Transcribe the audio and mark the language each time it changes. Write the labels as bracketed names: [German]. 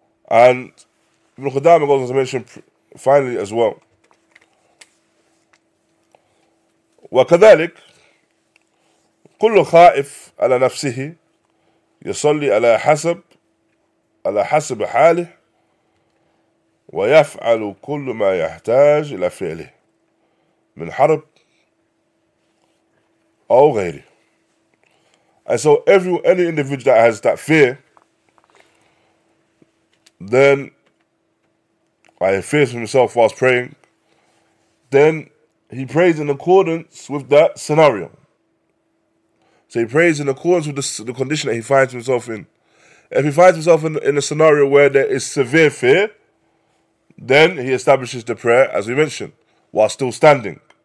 [English] And Ibn Qudamah goes on to mention finally as well. [Arabic] وكذلك كل خائف على نفسه يصلي على حسب حاله ويفعل كل ما يحتاج إلى فعله من حرب أو غيره. [English] And so any individual that has that fear, then by fears for himself whilst praying, then he prays in accordance with that scenario. So he prays in accordance with the condition that he finds himself in. If he finds himself in a scenario where there is severe fear, then he establishes the prayer, as we mentioned, while still standing.